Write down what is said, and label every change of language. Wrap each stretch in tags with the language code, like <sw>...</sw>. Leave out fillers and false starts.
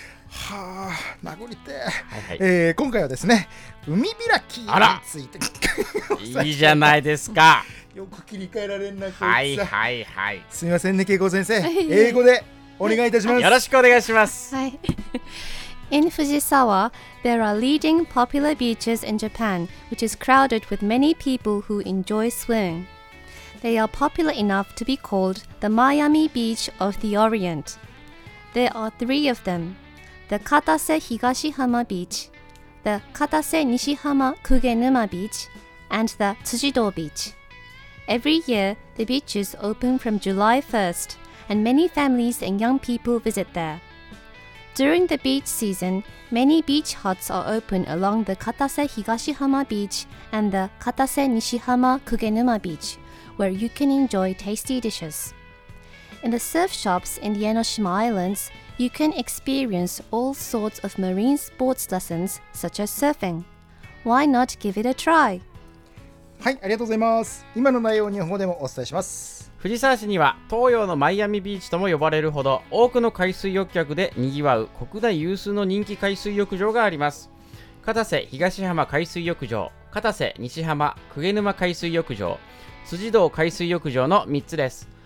<ja>はぁ、名残って、はいはい。今回はですね、海開きについて。いいじゃないですか。よく切り替えられんな。はいはいはい、すみませんね、恵子先生。英語でお願いいたします。よろしくお願いします。はい。</ja> <en>In Fujisawa, there are leading popular beaches in Japan, which is crowded with many people who enjoy swimming. They are popular enough to be called the Miami Beach of the Orient. There are three of them: the Katase Higashihama Beach, the Katase Nishihama Kugenuma Beach, and the Tsujido Beach. Every year, the beaches open from July 1st, and many families and young people visit there. During the beach season, many beach huts are open along the Katase Higashihama Beach and the Katase Nishihama Kugenuma Beach, where you can enjoy tasty dishes. In the surf shops in the Enoshima Islands, you can experience all sorts of marine sports lessons such as surfing. Why not give it a try?</en> <ja>はい、ありがとうございます。今の内容を日本語でもお伝えします。藤沢市には東洋のマイアミビーチとも呼ばれるほど多くの海水浴客でにぎわう国内有数の人気海水浴場があります。片瀬東浜海水浴場、片瀬西浜久下沼海水浴場、辻堂海水浴場の3つです。</ja>